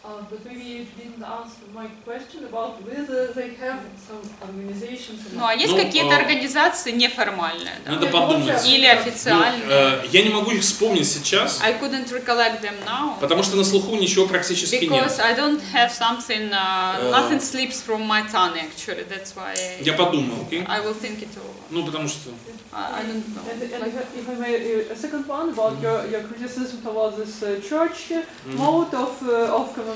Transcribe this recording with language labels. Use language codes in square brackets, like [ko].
[en] But maybe you didn't answer my question about whether they have some organizations. [ru] Ну, а есть какие-то организации неформальные? Да? Надо подумать. Или официальные? Я не могу их вспомнить сейчас. [en] I couldn't recollect them now. [ru] Потому что на слуху ничего практически [en] because [ru] нет. [en] Because I don't have something, nothing slips from my tongue actually, that's why. [ru] Я подумал, окей? [en] I will think it over. [ru] Ну, потому что. [en] I don't know. And if I may, a second one about your criticism towards this church mode of